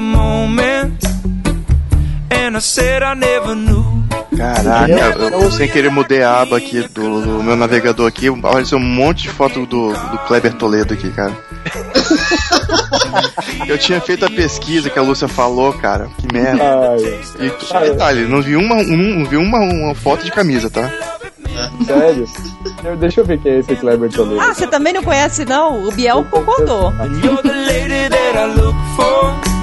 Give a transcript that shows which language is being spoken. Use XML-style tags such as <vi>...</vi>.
<en>moment, and I said I never knew.</en> <pt>Caraca, eu sem querer mudei a aba aqui do meu navegador aqui, apareceu um monte de foto do Kleber Toledo aqui, cara. Eu tinha feito a pesquisa que a Lúcia falou, cara, que merda. E detalhe, não vi uma foto de camisa, tá? Sério? Deixa eu ver quem é esse Kleber Toledo. Ah, você também não conhece, não? O Biel concordou.</pt> <en>You're the lady that I look for.</en>